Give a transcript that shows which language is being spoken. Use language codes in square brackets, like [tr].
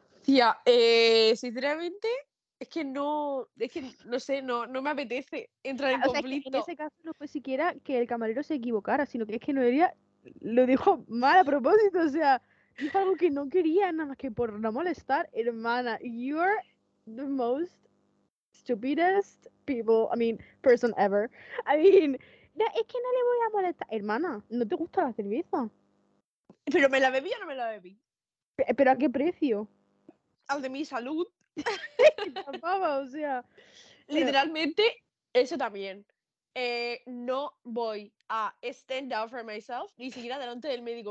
[es] Tía, sinceramente, no me apetece entrar en conflicto. Es que en ese caso no fue siquiera que el camarero se equivocara, sino que es que Noelia lo dijo mal a propósito. O sea, dijo algo que no quería, nada más que por no molestar, hermana. [en] You're the most stupidest person ever. I mean, [es] no, es que no le voy a molestar. Hermana, ¿no te gusta la cerveza? ¿Pero me la bebí o no me la bebí? ¿Pero a qué precio? Al de mi salud. Papá, o sea. Literalmente, eso también. No voy a [en] stand up for myself [es] ni siquiera delante del médico.